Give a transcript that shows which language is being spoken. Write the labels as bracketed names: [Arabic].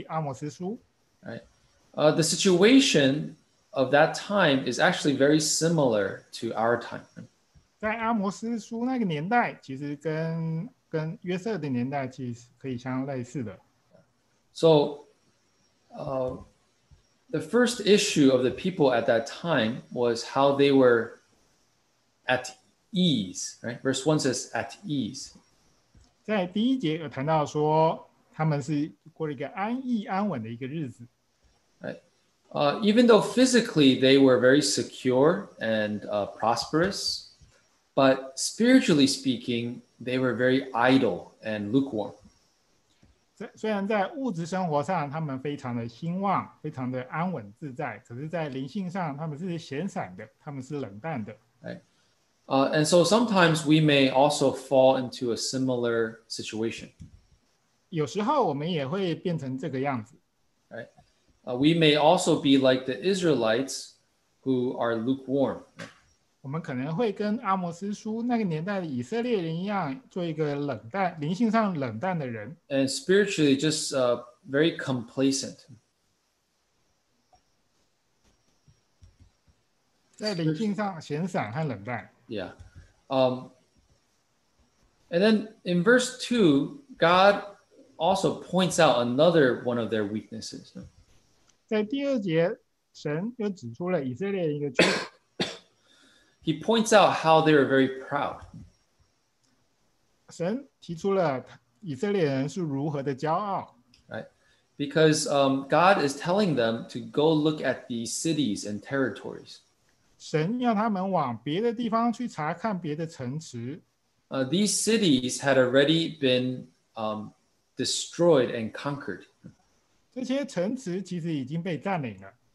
[Chinese] 那我们回顾了约瑟的故事，我们可以翻回阿摩斯书。 [English] The situation of that time is actually very similar to our time. [Chinese] 在阿摩斯书那个年代，其实跟约瑟的年代其实可以相类似的。 [English] So, the first issue of the people at that time was how they were at ease, right? Verse 1 says at ease. [Chinese] 在第一节有谈到说，他们是过了一个安逸安稳的一个日子。 [English] Even though physically they were very secure and prosperous, but spiritually speaking, They were very idle and lukewarm. [Chinese] 虽然在物质生活上他们非常的兴旺, 非常的安稳自在, 可是在灵性上, 他们是闲散的, 他们是冷淡的。 [English] And so sometimes we may also fall into a similar situation. [Chinese] 有时候我们也会变成这个样子。 [English] We may also be like the Israelites who are lukewarm. [Chinese] 我们可能会跟阿摩斯书那个年代的以色列人一样, 做一个冷淡, 灵性上冷淡的人。 [English] And spiritually just very complacent. [Chinese] 在灵性上闲散和冷淡。 [English] Yeah. And then in verse 2, God also points out another one of their weaknesses. [Chinese] 在第二节, [English] He points out how they are very proud. [Chinese] 神提出了以色列人是如何的骄傲。 [English] Right. Because God is telling them to go look at the cities and territories. [Chinese] 神要他们往别的地方去查看别的城池。 [English] These cities had already been destroyed and conquered. [Chinese] 这些城池其实已经被占领了。